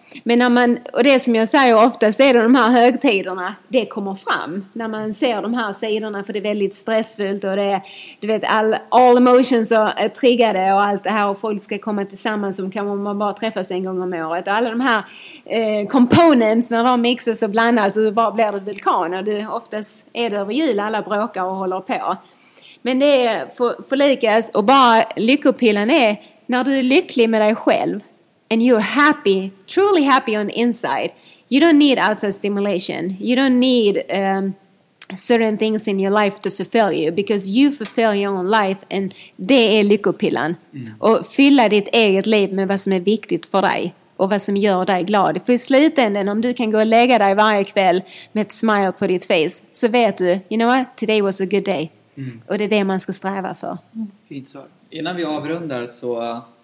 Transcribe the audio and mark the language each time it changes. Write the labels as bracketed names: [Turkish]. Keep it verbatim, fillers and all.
[Swedish] Men när man, och det som jag säger oftast är de här högtiderna, det kommer fram när man ser de här sidorna, för det är väldigt stressfullt och det är, du vet, [English] all, all emotions [Swedish] är triggade och allt det här och folk ska komma tillsammans som kan man bara träffas en gång om året och alla de här eh, components när de mixas och blandas och så bara blir det vulkaner. Du, oftast är det över jul, alla bråkar och håller på. Men det är för, för Lukas, och bara lyckopillen är när du är lycklig med dig själv. [English] And you're happy, truly happy on the inside. You don't need outside stimulation. You don't need um, certain things in your life to fulfill you. Because you fulfill your own life. [Swedish] And det är lyckopillan. Mm. Och fylla ditt eget liv med vad som är viktigt för dig. Och vad som gör dig glad. För i slutändan, om du kan gå och lägga dig varje kväll med ett smile på ditt face. Så vet du, [English] you know what? Today was a good day. [Swedish] Mm. Och det är det man ska sträva för. Mm. Fint svar. Innan vi avrundar så...